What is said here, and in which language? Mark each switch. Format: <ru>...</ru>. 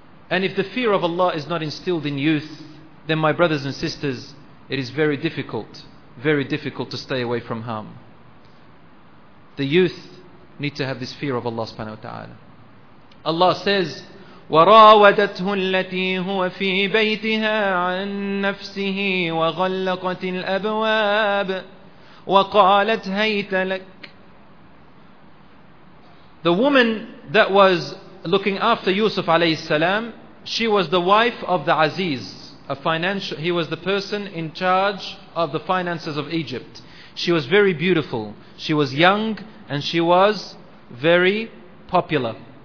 <en>And if the fear of Allah is not instilled in youth, then my brothers and sisters, it is very difficult. Very difficult to stay away from harm. The youth need to have this fear of Allah subhanahu wa ta'ala. Allah says,</en> <ar>وراودته التي هو في بيتها عن نفسه وغلقت الأبواب وقالت هيت لك.</ar> <en>The woman that was looking after Yusuf alayhi salam, she was the wife of the Aziz. He was the person in charge of the finances of Egypt. She was very beautiful. She was young and she was very popular.</en>